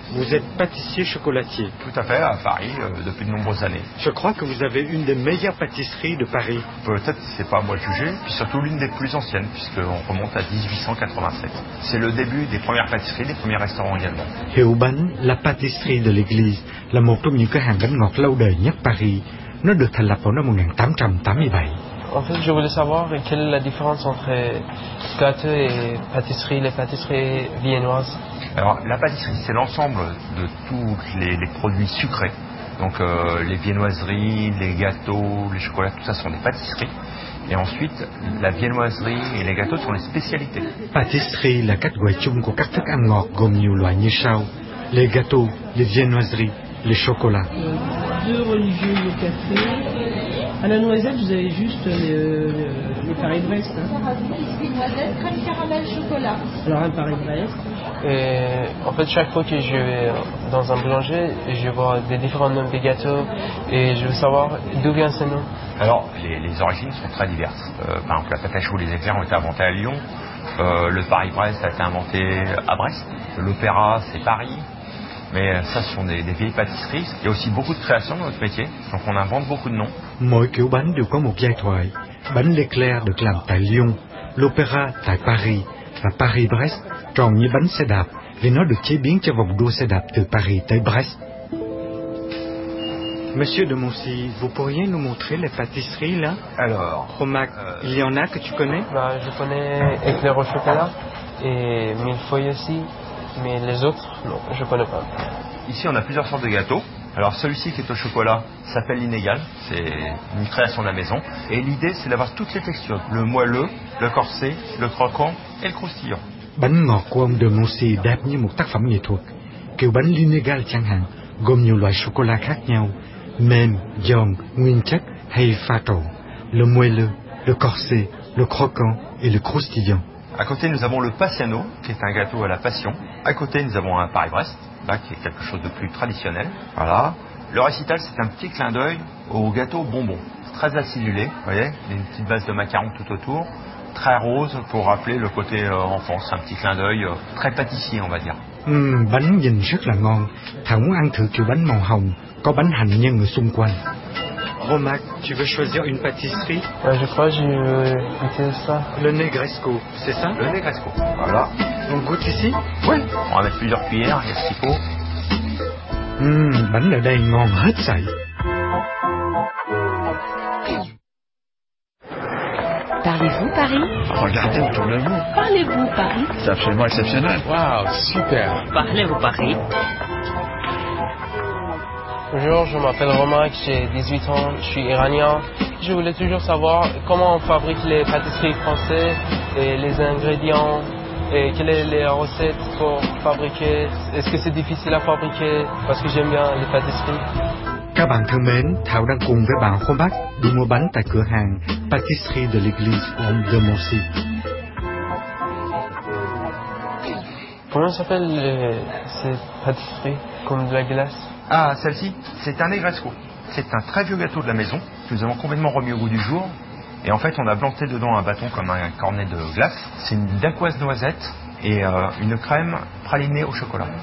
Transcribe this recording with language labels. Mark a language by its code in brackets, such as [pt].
[fr] Vous êtes pâtissier chocolatier. Tout à fait, à Paris, depuis de nombreuses années. Je crois que vous avez une des meilleures pâtisseries de Paris. Peut-être, c'est pas à moi de juger, puis surtout l'une des plus anciennes, puisqu'on remonte à 1887. C'est le début des premières pâtisseries, des premiers restaurants également. [vi] Hiệu Bánh, la pâtisserie de l'église, là một trong những cửa hàng bánh ngọt lâu đời nhất Paris. Nó được thành lập vào năm 1887. [fr] En fait, je voulais savoir quelle est la différence entre gâteau et pâtisserie, les pâtisseries viennoises. Alors, la pâtisserie, c'est l'ensemble de tous les produits sucrés. Donc, les viennoiseries, les gâteaux, les chocolats, tout ça sont des pâtisseries. Et ensuite, la viennoiserie et les gâteaux sont les spécialités. Pâtisserie, la catégorie [vi] chung của các thức ăn ngọt gồm nhiều loại như sau: [fr] les gâteaux, les viennoiseries, les chocolats. Deux religieux, le café. À la noisette, vous avez juste les Paris-Brest. Hein. Noisette, crème caramel, chocolat. Alors, un Paris-Brest. Et en fait, chaque fois que je vais dans un boulanger, je vois des différents noms de gâteaux et je veux savoir d'où vient ce nom. Alors, les origines sont très diverses. Par exemple, la pâte à choux ou les éclairs ont été inventés à Lyon. Le Paris-Brest a été inventé à Brest. L'opéra, c'est Paris. Mais ça, ce sont des vieilles pâtisseries. Il y a aussi beaucoup de créations dans notre métier, donc on invente beaucoup de noms. [vi] Mỗi kiểu bánh đều có một giai thoại. Bánh l'éclair được làm tại Lyon, l'opéra tại Paris và Paris-Brest tròn như bánh xe đạp vì nó được chế biến cho vòng đua xe đạp từ Paris tới Brest. [fr] Monsieur de Moncy, vous pourriez nous montrer les pâtisseries là? Alors, Romac, il y en a que tu connais? Bah, je connais éclair au chocolat et millefeuille aussi. Mais les autres, non, je ne connais pas. Ici, on a plusieurs sortes de gâteaux. Alors, celui-ci qui est au chocolat s'appelle l'inégal. C'est une création de la maison. Et l'idée, c'est d'avoir toutes les textures. Le moelleux, le corsé, le croquant et le croustillant. [vi] Bánh ngọt của ông de Moncy đẹp như một tác phẩm nghệ thuật. Kiểu bánh l'inégal chẳng hạn, gồm nhiều loại chocolat khác nhau. Mềm, giòn, nguyên chất hay pha trộn. [fr] Le moelleux, le corsé, le croquant et le croustillant. À côté, nous avons le Passiano, qui est un gâteau à la passion. À côté, nous avons un Paris-Brest, là, qui est quelque chose de plus traditionnel. Voilà. Le récital, c'est un petit clin d'œil au gâteau bonbon. C'est très acidulé, vous voyez, il y a une petite base de macarons tout autour. Très rose, pour rappeler le côté enfance. Un petit clin d'œil très pâtissier, on va dire. [vi] Bánh nhìn rất là ngon. Thảo muốn ăn thử kiểu bánh màu hồng, có bánh hành nhân ở xung quanh. [fr] Romac, tu veux choisir une pâtisserie? Je crois que j'ai goûté ça. Le Negresco, c'est ça? Le Negresco, voilà. On goûte ici? Oui, on va mettre plusieurs cuillères, qu'est-ce qu'il faut? [vi] Bánh ở đây ngon hết sảy. [fr] Parlez-vous Paris? Regardez autour de vous. Parlez-vous Paris? C'est absolument exceptionnel. Waouh, super. Parlez-vous Paris? Bonjour, je m'appelle Romac, j'ai 18 ans, je suis iranien. Je voulais toujours savoir comment on fabrique les pâtisseries françaises et les ingrédients et quelles sont les recettes pour fabriquer. Est-ce que c'est difficile à fabriquer parce que j'aime bien les pâtisseries. [vi] Các bạn thân mến, Thảo đang cùng với bạn Romac đi mua bánh tại cửa hàng Pâtisserie de l'Église Homme de Moncy. [fr] Comment s'appelle ces pâtisseries comme de la glace? Ah, celle-ci, c'est un Negresco. C'est un très vieux gâteau de la maison que nous avons complètement remis au goût du jour. Et en fait, on a planté dedans un bâton comme un cornet de glace. C'est une dacquoise noisette et une crème pralinée au chocolat.